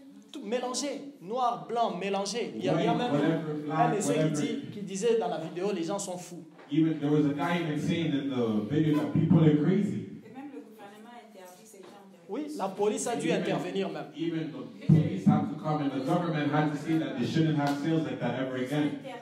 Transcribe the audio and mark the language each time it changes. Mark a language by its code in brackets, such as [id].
[fr] Tout mélangé, noir, blanc, mélangé. Il y a même [en] whatever, black, [fr] un des gens qui disait dans la vidéo, les gens sont fous. [en] Even, there was a guy even saying in the video that people are crazy. [fr] Et même le gouvernement a interdit ces gens. Oui, la police a dû intervenir même. [en] Even the police have to come and the government had to say that they shouldn't have sales like that ever again.